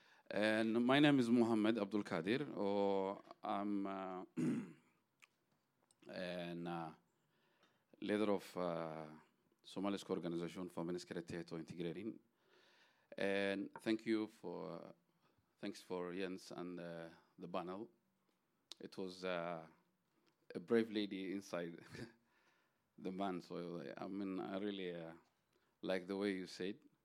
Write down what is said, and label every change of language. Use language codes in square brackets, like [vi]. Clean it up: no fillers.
[en] And my name is Mohamed Abdul Kadir, and [no] leder av somalisk organisasjon for menneskerettighet og integrering. [en] And thank you for thanks for Jens and the panel. It was a brave lady inside the man, so I really like the way you said.